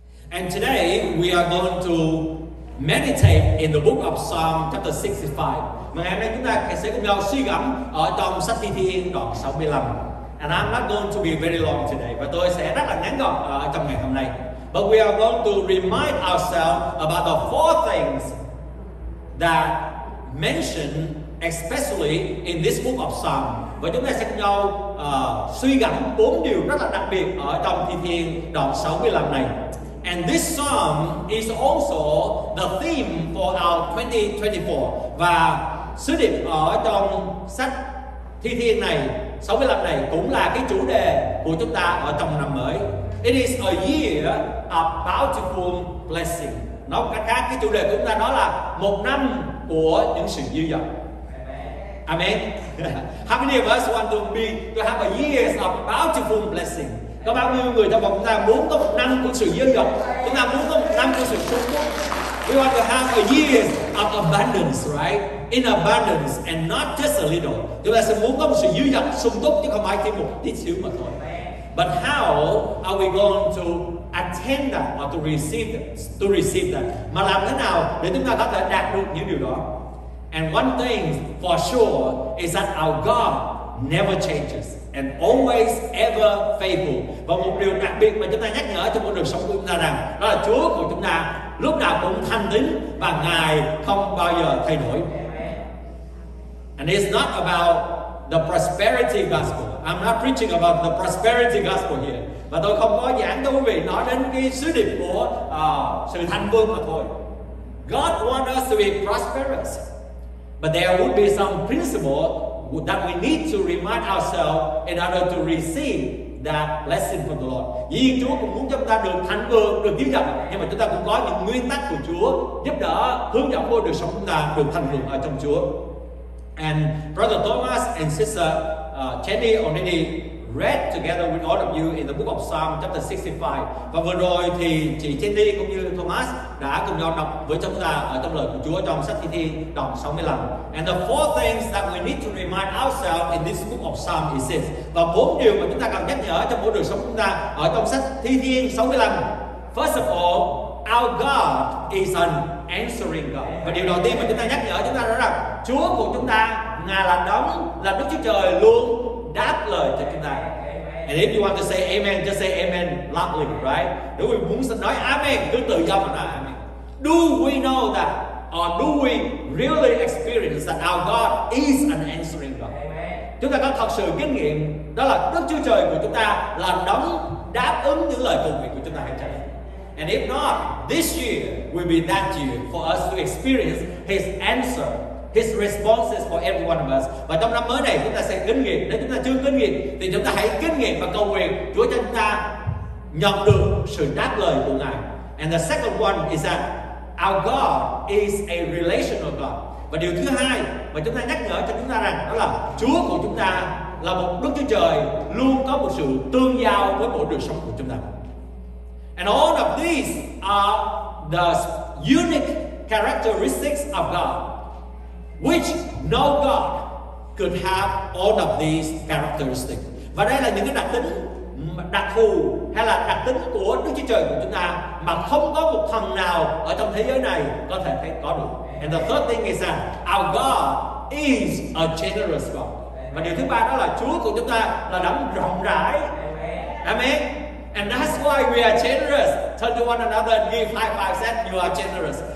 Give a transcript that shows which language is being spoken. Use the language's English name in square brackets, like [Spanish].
[English] And today we are going to meditate in the book of Psalm chapter 65. [Vietnamese] Và ngày hôm nay chúng ta sẽ cùng nhau suy gẫm ở trong sách Thi Thiên đoạn 65. [English] And I'm not going to be very long today, [Vietnamese] và tôi sẽ rất là ngắn gọn ở trong ngày hôm nay. [English] But we are going to remind ourselves about the four things that mention especially in this book of Psalm. [Vietnamese] Và chúng ta sẽ cùng nhau suy gẫm bốn điều rất là đặc biệt ở trong Thi Thiên đoạn 65 này. [English] And this psalm is also the theme for our 2024. [Vietnamese] Và sứ điệp ở trong sách Thi Thiên này, 65 này cũng là cái chủ đề của chúng ta ở trong năm mới. [English] It is a year of bountiful blessing. [Vietnamese] Nói cách khác, cái chủ đề của chúng ta đó là một năm của những sự dư dật. [English] Amen. How many of us want to have a year of bountiful blessing? [Vietnamese] Có bao nhiêu người trong vòng chúng ta muốn có một năm của sự dư dật? Chúng ta muốn có một năm của sự phúc phúc. [English] We want to have a year of abundance, right? In abundance and not just a little. [Vietnamese] Chúng ta sẽ muốn có một sự dư dật sung túc chứ không phải thêm một tí xíu mà thôi. [English] But how are we going to attain that or to receive that? [Vietnamese] Mà làm thế nào để chúng ta có thể đạt được những điều đó? [English] And one thing for sure is that our God never changes and always ever faithful. [Vietnamese] Và một điều đặc biệt mà chúng ta nhắc nhở trong cuộc đời sống của chúng ta rằng đó là Chúa của chúng ta lúc nào cũng thanh tín và Ngài không bao giờ thay đổi. [English] And it's not about the prosperity gospel. I'm not preaching about the prosperity gospel here. [Vietnamese] Và tôi không có giảng cho quý vị nói đến cái sứ điệp của sự thành vương mà thôi. [English] God wants us to be prosperous, but there would be some principle that we need to remind ourselves in order to receive that blessing from the Lord. [Vietnamese] Dĩ nhiên Chúa cũng muốn chúng ta được thành vương, được dư dật, nhưng mà chúng ta cũng có những nguyên tắc của Chúa giúp đỡ, hướng dẫn cho đời sống chúng ta được thành vương ở trong Chúa. [English] And Brother Thomas and Sister Jenny already read together with all of you in the book of Psalm chapter 65. [Vietnamese] Và vừa rồi thì chị Jenny cũng như Thomas đã cùng nhau đọc với chúng ta ở trong lời của Chúa trong sách Thi Thiên đoạn 65. [English] And the four things that we need to remind ourselves in this book of Psalm is this. [Vietnamese] Và bốn điều mà chúng ta cần nhắc nhở trong mỗi đời sống chúng ta ở trong sách Thi Thiên 65. [English] First of all, our God is an answering God. [Vietnamese] Và điều đầu tiên mà chúng ta nhắc nhở chúng ta đó là Chúa của chúng ta, Ngài là đấng, là Đức Chúa Trời luôn đáp lời cho chúng ta. [English] Amen. And if you want to say amen, just say amen loudly, right? [Vietnamese] Nếu mình muốn nói amen, cứ tự do mà nói amen. [English] Do we know that, or do we really experience that our God is an answering God? Amen. [Vietnamese] Chúng ta có thật sự kinh nghiệm đó là Đức Chúa Trời của chúng ta là đấng đáp ứng những lời cầu nguyện của chúng ta hay chăng? [English] And if not, this year will be that year for us to experience His answer, His responses for every one of us. [Vietnamese] Và trong năm mới này chúng ta sẽ kinh nghiệm. Nếu chúng ta chưa kinh nghiệm, thì chúng ta hãy kinh nghiệm và cầu nguyện Chúa cho chúng ta nhận được sự đáp lời của Ngài. [English] And the second one is that our God is a relational God. [Vietnamese] Và điều thứ hai mà chúng ta nhắc nhở cho chúng ta rằng đó là Chúa của chúng ta là một Đức Chúa Trời luôn có một sự tương giao với mỗi đời sống của chúng ta. [English] And all of these are the unique characteristics of God. Which no God could have all of these characteristics. [Vietnamese] Và đây là những cái đặc tính đặc thù hay là đặc tính của Đức Chúa Trời của chúng ta mà không có một thần nào ở trong thế giới này có thể thấy có được. [English] And the third thing is that our God is a generous God. [Vietnamese] Và điều thứ ba đó là Chúa của chúng ta là đấng rộng rãi. [English] Amen. And that's why we are generous. Turn to one another and give high five, say you are generous.